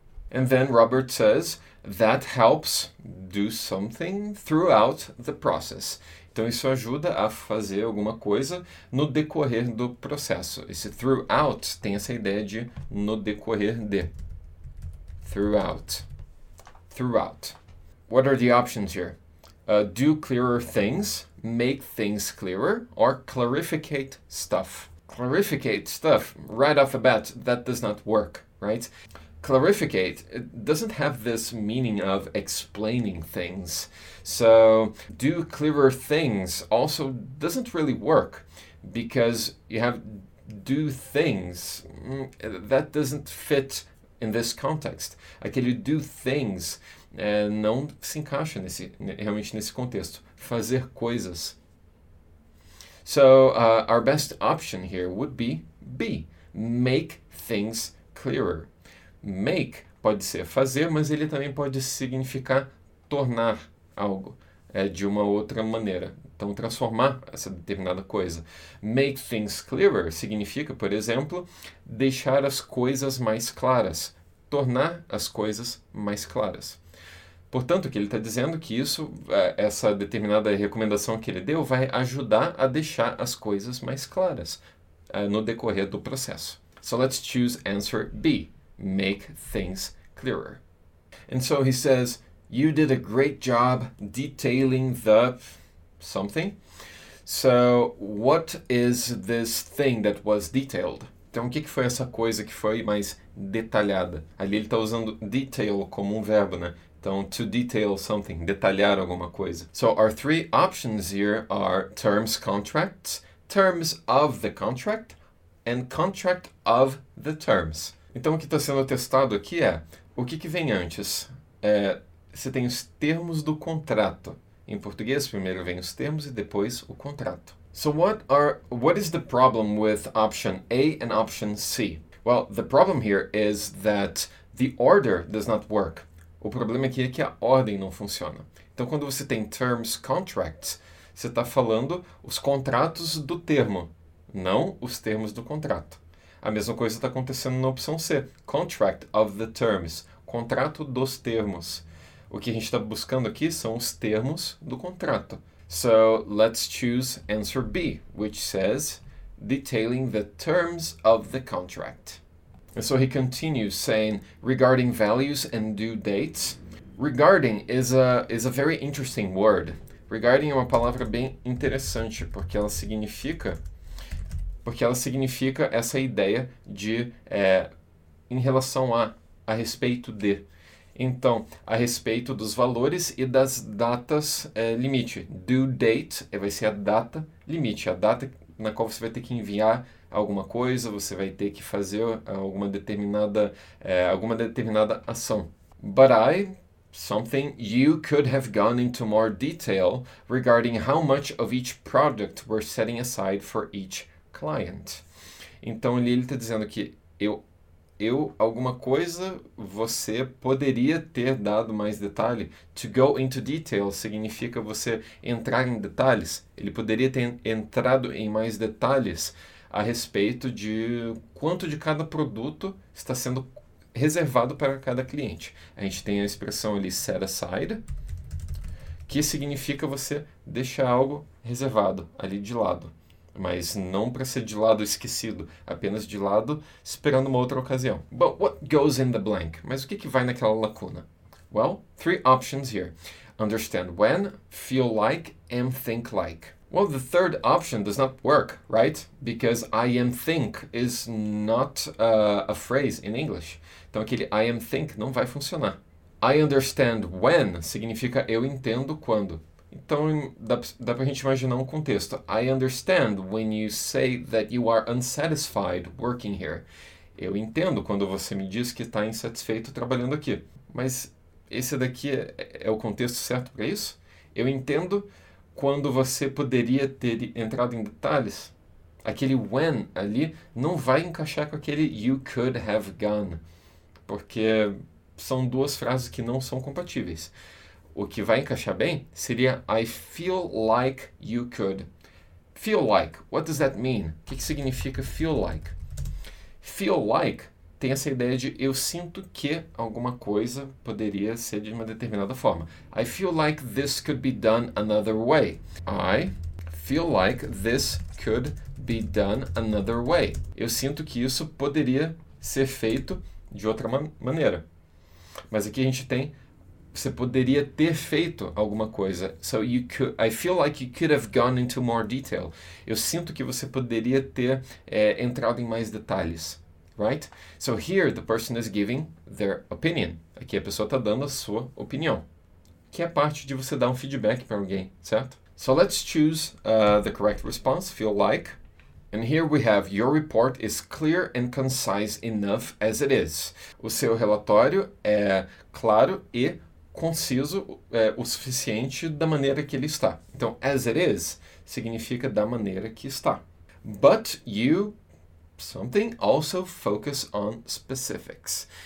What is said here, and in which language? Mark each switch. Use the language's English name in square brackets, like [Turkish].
[English] And then Robert says, that helps do something throughout the process. [Portuguese] Então isso ajuda a fazer alguma coisa no decorrer do processo. Esse throughout tem essa ideia de no decorrer de. [English] Throughout. Throughout. What are the options here? Do clearer things, make things clearer, or clarificate stuff. Clarificate stuff, right off the bat, that does not work, right? Clarificate, it doesn't have this meaning of explaining things. So, do clearer things also doesn't really work because you have do things. That doesn't fit in this context. [Portuguese] Aquele do things não se encaixa realmente nesse contexto. Fazer coisas. [English] So, our best option here would be B. Make things clearer. [Portuguese] Make pode ser fazer, mas ele também pode significar tornar algo de uma outra maneira. Então, transformar essa determinada coisa. [English] Make things clearer [Portuguese] significa, por exemplo, deixar as coisas mais claras. Tornar as coisas mais claras. Portanto, o que ele está dizendo é que isso, essa determinada recomendação que ele deu vai ajudar a deixar as coisas mais claras no decorrer do processo. [English] So, let's choose answer B. Make things clearer. And so he says, you did a great job detailing the something. So what is this thing that was detailed? [Portuguese] Então, o que foi essa coisa que foi mais detalhada? Ali ele está usando detail como um verbo, né? Então, [English] to detail something, [Portuguese] detalhar alguma coisa. [English] So our three options here are terms contracts, terms of the contract, and contract of the terms. [Portuguese] Então, o que está sendo testado aqui é, o que vem antes? Você tem os termos do contrato. Em português, primeiro vem os termos e depois o contrato. [English] So, what is the problem with option A and option C? Well, the problem here is that the order does not work. [Portuguese] O problema aqui é que a ordem não funciona. Então, quando você tem terms contracts, você está falando os contratos do termo, não os termos do contrato. A mesma coisa está acontecendo na opção C, [English] contract of the terms, [Portuguese] contrato dos termos. O que a gente está buscando aqui são os termos do contrato. [English] So, let's choose answer B, which says detailing the terms of the contract. And so he continues saying regarding values and due dates. Regarding is a very interesting word. [Portuguese] Regarding é uma palavra bem interessante porque ela significa essa ideia de em relação a respeito de. Então, a respeito dos valores e das datas limite. Due date vai ser a data limite, a data na qual você vai ter que enviar alguma coisa, você vai ter que fazer alguma determinada ação. [English] But I something you could have gone into more detail regarding how much of each product we're setting aside for each client. [Portuguese] Então ele está dizendo que eu alguma coisa você poderia ter dado mais detalhe. [English] To go into detail [Portuguese] significa você entrar em detalhes. Ele poderia ter entrado em mais detalhes a respeito de quanto de cada produto está sendo reservado para cada cliente. A gente tem a expressão ali set aside, que significa você deixar algo reservado ali de lado, mas não para ser de lado esquecido, apenas de lado esperando uma outra ocasião. [English] But what goes in the blank? [Portuguese] Mas o que que vai naquela lacuna? [English] Well, three options here: understand when, feel like, and think like. Well, the third option does not work, right? Because I am think is not a phrase in English. [Portuguese] Então, aquele [English] I am think [Portuguese] não vai funcionar. [English] I understand when [Portuguese] significa eu entendo quando. Então, dá para a gente imaginar um contexto. [English] I understand when you say that you are unsatisfied working here. [Portuguese] Eu entendo quando você me diz que está insatisfeito trabalhando aqui. Mas esse daqui é o contexto certo para isso? Eu entendo quando você poderia ter entrado em detalhes. Aquele when ali não vai encaixar com aquele [English] you could have gone, [Portuguese] porque são duas frases que não são compatíveis. O que vai encaixar bem seria [English] I feel like you could. Feel like, what does that mean? [Portuguese] O que que significa [English] feel like? [Portuguese] Feel like tem essa ideia de eu sinto que alguma coisa poderia ser de uma determinada forma. [English] I feel like this could be done another way. I feel like this could be done another way. [Portuguese] Eu sinto que isso poderia ser feito de outra maneira. Mas aqui a gente tem, você poderia ter feito alguma coisa. [English] So you could, I feel like you could have gone into more detail. [Portuguese] Eu sinto que você poderia ter entrado em mais detalhes. [English] Right? So here the person is giving their opinion. [Portuguese] Aqui a pessoa está dando a sua opinião, que é parte de você dar um feedback para alguém, certo? [English] So let's choose the correct response, feel like. And here we have your report is clear and concise enough as it is. [Portuguese] O seu relatório é claro e conciso o suficiente da maneira que ele está. Então, [English] as it is [Portuguese] significa da maneira que está. [English] But you something also focus on specifics.